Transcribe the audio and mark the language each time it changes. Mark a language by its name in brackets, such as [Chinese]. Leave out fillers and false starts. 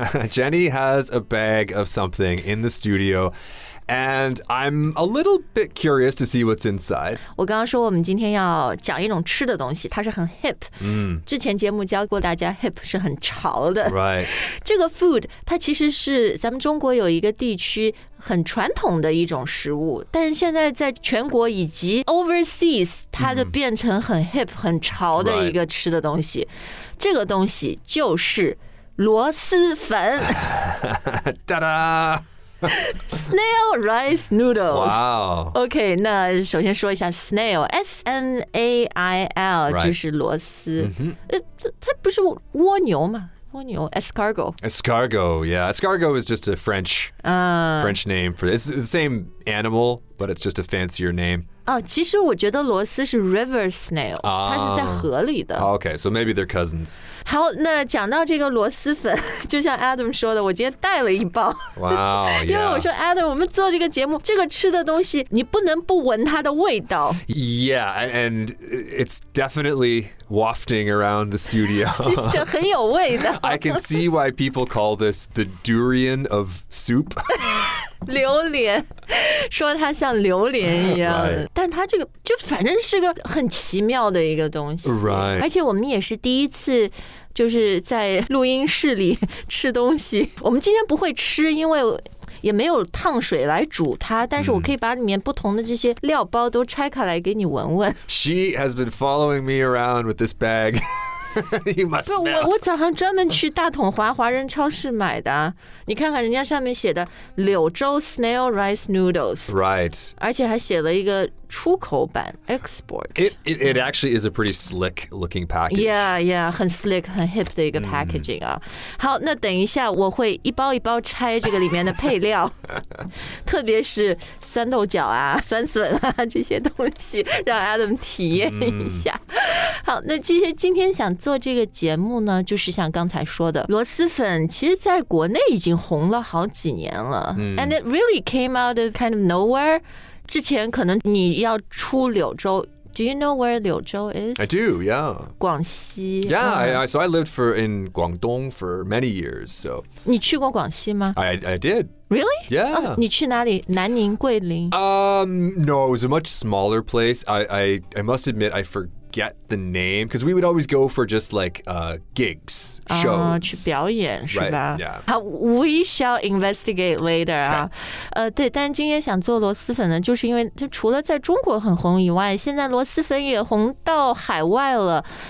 [English] Jenny has a bag of something in the studio. And I'm a little bit curious to see what's inside. [Chinese] 我刚刚说我们今天要讲一种吃的东西，它是很 hip。之前节目教过大家 hip 是很潮的。 [English] Right. [Chinese] 这个 food 它其实是咱们中国有一个地区很传统的一种食物，但是现在在全国以及 overseas， 它的变成很 hip 很潮的一个吃的东西。这个东西就是螺蛳粉。哒哒。 [English] Snail rice noodles. Wow. [Chinese] Okay, 那首先说一下 snail, S-N-A-I-L,、 [English] right. [Chinese] 就是螺丝。它不是蜗牛吗？蜗牛 ,escargot. [English] Escargot, yeah. Escargot is just a French,、French name. For, it's the same animal, but it's just a fancier name. [Chinese] 其实我觉得螺丝是 river snail,、它是在河里的。 [English] Okay, so maybe they're cousins. [Chinese] 好，那讲到这个螺丝粉，就像 Adam 说的，我今天带了一包。 [English] Wow, yeah. [Chinese] 因为我说 Adam, 我们做这个节目，这个吃的东西，你不能不闻它的味道。 [English] Yeah, and it's definitely wafting around the studio. [Chinese] 这很有味道。 [English] I can see why people call this the durian of soup. [Chinese] 榴莲，说它像榴莲一样、 [English] right. [Chinese] 但它这个就反正是个很奇妙的一个东西、 [English] right. [Chinese] 而且我们也是第一次就是在录音室里吃东西，我们今天不会吃，因为也没有烫水来煮它，但是我可以把里面不同的这些料包都拆开来给你闻闻。 [English] She has been following me around with this bag. You must smell. [Chinese] 我早上专门去大统华华人超市买的，你看看人家上面写的柳州 snail rice noodles. [English] Right. [Chinese] 而且还写了一个出口版 export. [English] It actually is a pretty slick looking package. [Chinese] Yeah, yeah, 很 slick, 很 hip 的一个 packaging 啊。好，那等一下我会一包一包拆这个里面的配料，特别是酸豆角啊、酸笋啊这些东西，让 Adam 体验一下。好，那其实今天想做这个节目呢，就是像刚才说的，螺蛳粉其实在国内已经红了好几年了。 [English] And it really came out of kind of nowhere. [Chinese] 之前可能你要出柳州 [English] Do you know where 柳州 is? I do, yeah. [Chinese] 广西 [English] Yeah,、so I lived in Guangdong for many years, so [Chinese] 你去过广西吗？ [English] I did. Really? Yeah.、 [Chinese] 你去哪里？南宁、桂林？ [English] No, it was a much smaller place. I must admit, I forget the name, because we would always go for just like gigs, shows. [Chinese] 去表演是吧、 [English] right, yeah. 好 we shall investigate later.、Okay. [Chinese] 对，但今天想做螺蛳粉呢，就是因为就除了在中国很红以外，现在螺蛳粉也红到海外了。